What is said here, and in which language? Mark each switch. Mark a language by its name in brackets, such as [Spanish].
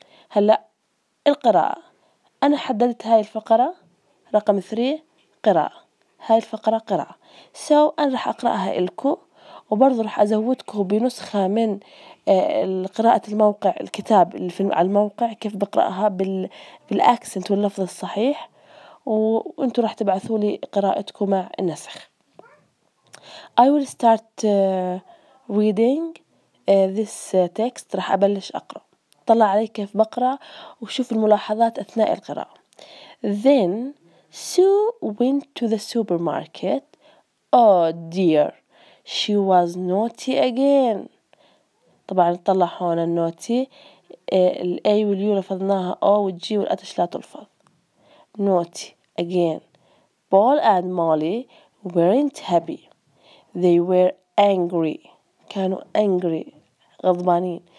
[Arabic] هلأ القراءة، أنا حددت هاي الفقرة رقم 3 قراءة، هاي الفقرة قراءة، سو أنا رح أقرأها إلكو، وبرضو رح أزودكو بنسخة من القراءة الموقع، الكتاب اللي في على الموقع كيف بقرأها بالأكسنت واللفظ الصحيح، وأنتو رح تبعثوا لي قراءتكو مع النسخ. [English] I will start reading this text، رح أبلش أقرأ. [Arabic] طلع علي كيف بقرأ وشوف الملاحظات أثناء القراءة. [English] Then Sue went to the supermarket. Oh dear, she was naughty again. [Arabic] طبعا طلع هون النوتي، الـ A والـ U لفظناها O والـ G والـ H لا تلفظ. [English] Naughty again. Paul and Molly weren't happy. They were angry. [Arabic] كانوا angry، غضبانين.